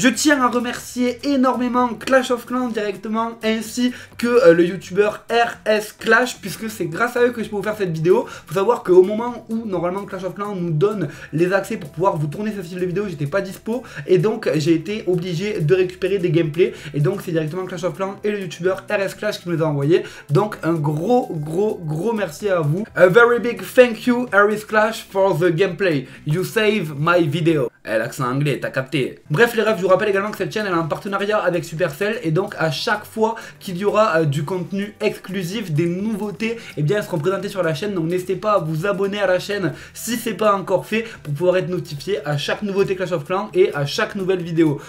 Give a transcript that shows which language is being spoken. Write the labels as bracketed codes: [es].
[fr] Je tiens à remercier énormément Clash of Clans directement ainsi que le youtubeur RS Clash, puisque c'est grâce à eux que je peux vous faire cette vidéo. Faut savoir qu'au moment où normalement Clash of Clans nous donne les accès pour pouvoir vous tourner ce style de vidéo, j'étais pas dispo et donc j'ai été obligé de récupérer des gameplays. Et donc c'est directement Clash of Clans et le youtubeur RS Clash qui me les a envoyés. Donc un gros merci à vous. [en] A very big thank you RS Clash for the gameplay. You save my video. [fr] L'accent anglais, t'as capté. Bref, les refs, je vous rappelle également que cette chaîne, elle a un partenariat avec Supercell, et donc à chaque fois qu'il y aura du contenu exclusif, des nouveautés, eh bien, elles seront présentées sur la chaîne. Donc n'hésitez pas à vous abonner à la chaîne si c'est pas encore fait, pour pouvoir être notifié à chaque nouveauté Clash of Clans et à chaque nouvelle vidéo.